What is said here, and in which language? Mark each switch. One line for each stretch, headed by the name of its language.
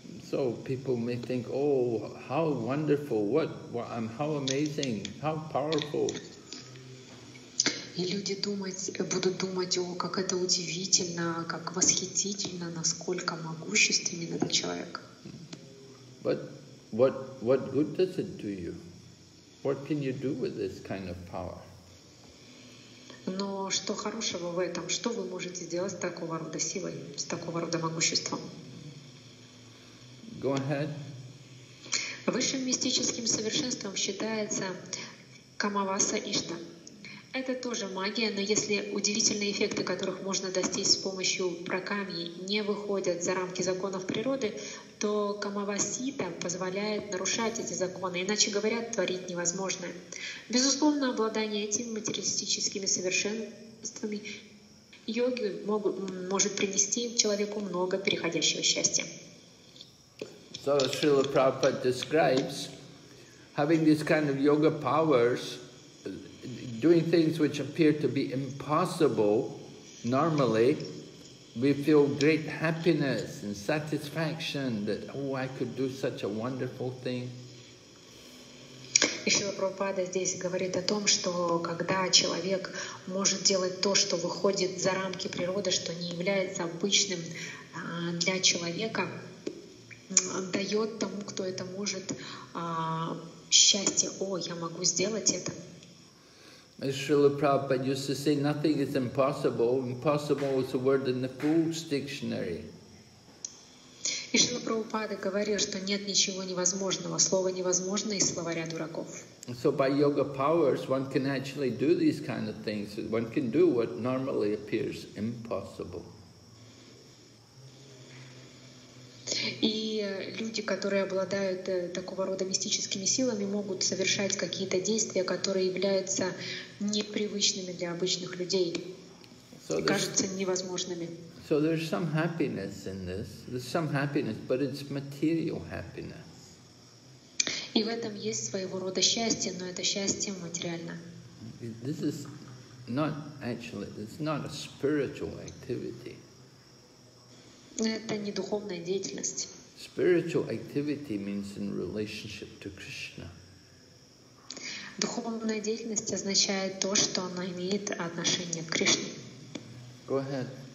English: So people may think, oh, how wonderful, how amazing, how powerful.
Russian: И люди будут думать, о, как это удивительно, как восхитительно, насколько могущественен этот человек.
English: But what good does it do you? What can you do with this kind of power?
Russian: Но что хорошего в этом? Что вы можете сделать с такого рода силой, с такого рода могуществом?
English: Go ahead.
Russian: Высшим мистическим совершенством считается Камаваса Ишта. Это тоже магия, но если удивительные эффекты, которых можно достичь с помощью пракамьи, не выходят за рамки законов природы, то камавасита позволяет нарушать эти законы, иначе говоря, творить невозможное. Безусловно, обладание этими материалистическими совершенствами йоги может принести человеку много переходящего счастья.
English: So Srila Prabhupada describes having these kind of yoga powers, doing things which appear to be impossible normally, we feel great happiness and satisfaction that, oh, I could do such a wonderful thing.
Russian: И Шрила Прабхупада здесь говорит о том, что когда человек может делать то, что выходит за рамки природы, что не является обычным для человека, дает тому, кто это может, счастье. О, я могу сделать это.
English: Шрила Прабхупада used to say, nothing is impossible. Impossible is a word in the Fool's Dictionary.
Russian: И Шрила Прабхупада говорил, что нет ничего невозможного. Слово невозможно из словаря дураков.
English: So by yoga powers, one can actually do these kind of things. One can do what normally appears impossible.
Russian: И люди, которые обладают такого рода мистическими силами, могут совершать какие-то действия, которые являются непривычными для обычных людей, кажутся невозможными.
English: So there's some happiness in this. There's some happiness, but it's material happiness.
Russian: И в этом есть своего рода счастье, но это счастье материально.
English: This is not actually, it's not a spiritual activity.
Russian: Это не духовная деятельность.
English: Spiritual activity means in relationship to Krishna.
Russian: Духовная деятельность означает то, что она имеет отношение к Кришне.
English: Go ahead.